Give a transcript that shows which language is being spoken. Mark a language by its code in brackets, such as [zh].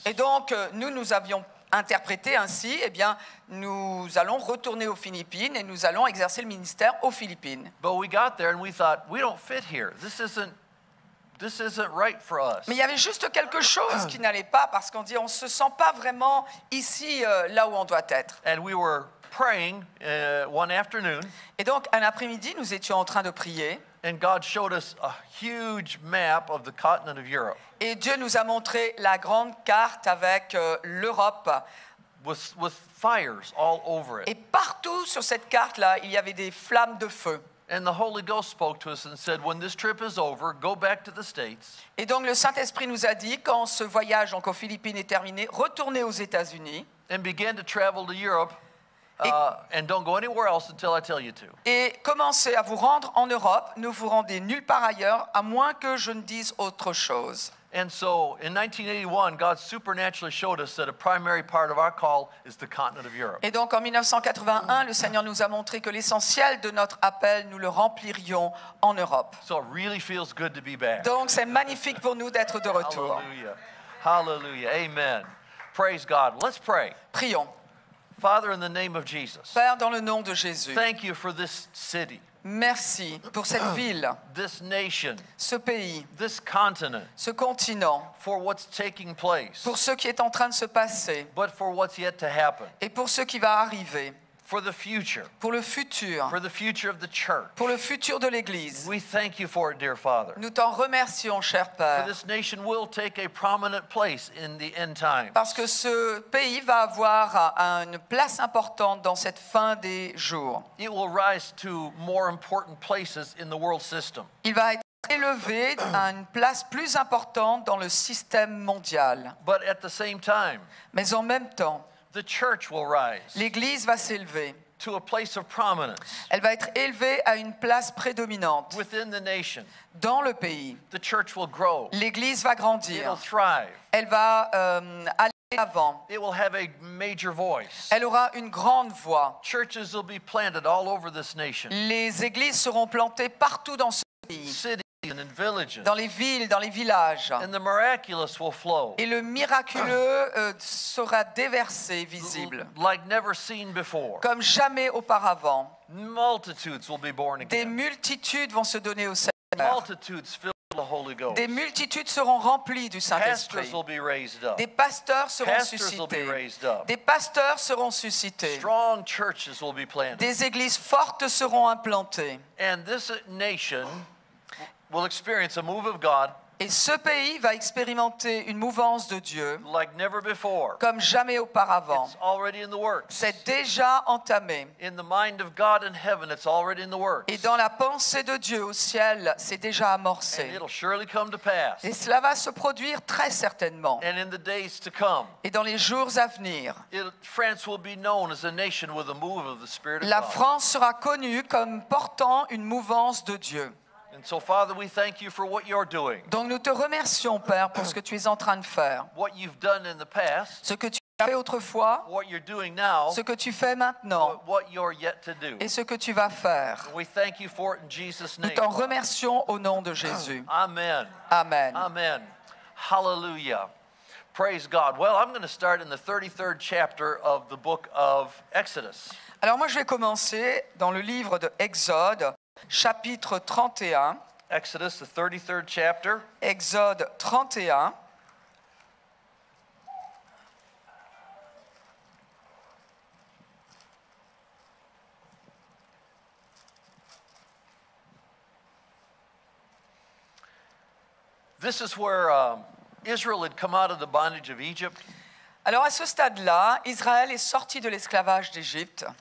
[fr] Et donc nous avions interprété ainsi, eh bien, nous allons retourner aux Philippines et nous allons exercer le ministère aux Philippines. [en] But we got there and we thought we don't fit here. This isn't right for us. [fr] Mais il y avait juste quelque chose qui n'allait pas parce qu'on dit on se sent pas vraiment ici là où on doit être. [en] And we were praying one afternoon. [fr] Et donc un après-midi nous étions en train de prier. [en] And God showed us a huge map of the continent of Europe. [fr] Et Dieu nous a montré la grande carte avec l'Europe. [en] With fires all over it. [fr] Et partout sur cette carte là il y avait des flammes de feu. [en] And the Holy Ghost spoke to us and said, "When this trip is over, go back to the States." [fr] Et donc le Saint-Esprit nous a dit, quand ce voyage donc aux Philippines est terminé, retournez aux États-Unis. [en] And begin to travel to Europe, and don't go anywhere else until I tell you to. [fr] Et commencez à vous rendre en Europe. Ne vous rendez nulle part ailleurs à moins que je ne dise autre chose. [en] And so, in 1981, God supernaturally showed us that a primary part of our call is the continent of Europe. [fr] Et donc, en 1981, le Seigneur nous a montré que l'essentiel de notre appel, nous le remplirions en Europe. [en] So it really feels good to be back. [fr] Donc, c'est magnifique pour nous d'être de retour. [en] Hallelujah. Hallelujah. Amen. Praise God. Let's pray. [fr] Prions. [en] Father, in the name of Jesus. [fr] Père, dans le nom de Jésus. [en] Thank you for this city. [fr] Merci pour cette ville, [en] this nation, [fr] ce pays, [en] this continent, [fr] ce continent, [en] for what's taking place, [fr] pour ce qui est en train de se passer, [en] but for what's yet to happen, [fr] et pour ce qui va arriver, [en] for the future, [fr] pour le futur, [en] for the future of the church, [fr] pour le futur de l'église. [en] We thank you for it, dear Father. [fr] Nous t'en remercions, cher Père. [en] For this nation will take a prominent place in the end times. [fr] Parce que ce pays va avoir une place importante dans cette fin des jours. [en] It will rise to more important places in the world system. [fr] Il va être élevé à une place plus importante dans le système mondial. [en] But at the same time, [fr] mais en même temps, [en] the church will rise. [fr] L'église va s'élever. [en] To a place of prominence. [fr] Elle va être élevée à une place prédominante. [en] Within the nation. [fr] Dans le pays. [en] The church will grow. [fr] L'église va grandir. [en] It'll thrive. [fr] Elle va aller avant. [en] It will have a major voice. [fr] Elle aura une grande voix. [en] Churches will be planted all over this nation. [fr] Les églises seront plantées partout dans ce pays. [en] Cities and in villages. [fr] Dans les villes, dans les villages. [en] And the miraculous will flow. [fr] Et le miraculeux sera déversé, visible. [en] Like never seen before. [fr] Comme jamais auparavant. [en] Multitudes will be born again. [fr] Des multitudes vont se donner au Seigneur. [en] Multitudes filled with the Holy Ghost. [fr] Des multitudes seront remplies du Saint-Esprit. [en] Pastors will be raised up. [fr] Des pasteurs seront suscités. [en] Pastors will be raised up. [fr] Des pasteurs seront suscités. [en] Strong churches will be planted. [fr] Des églises fortes seront implantées. [en] And this nation will experience a move of God [fr] Et ce pays va expérimenter une mouvance de Dieu [en] like never before. [fr] Comme jamais auparavant. [en] It's already in the works. [fr] C'est déjà entamé. [en] In the mind of God in heaven, it's already in the works. [fr] Et dans la pensée de Dieu au ciel, c'est déjà amorcé. [en] And it'll surely come to pass. [fr] Et cela va se produire très certainement. [en] And in the days to come, [fr] et dans les jours à venir, [en] France will be known as a nation with a move of the Spirit of God. [fr] La France sera connue comme portant une mouvance de Dieu. [en] And so, Father, we thank you for what you're doing. [fr] Donc nous te remercions, Père, pour ce que tu es en train de faire. [en] What you've done in the past. [fr] Ce que tu as fait autrefois. [en] What you're doing now. [fr] Ce que tu fais maintenant. [en] What you're yet to do. [fr] Et ce que tu vas faire. [en] We thank you for it in Jesus' name. [fr] Nous t'en remercions au nom de Jésus. [en] Amen. [fr] Amen. [en] Amen. Hallelujah. Praise God. Well, I'm going to start in the 33rd chapter of the book of Exodus. [fr] Alors moi, je vais commencer dans le livre de Exode. Chapitre 31. [en] Exodus, the 33rd chapter. [fr] Exode 31. [en] This is where Israel had come out of the bondage of Egypt. [fr] Alors à ce stade-là, Israël est sorti de l'esclavage d'Égypte.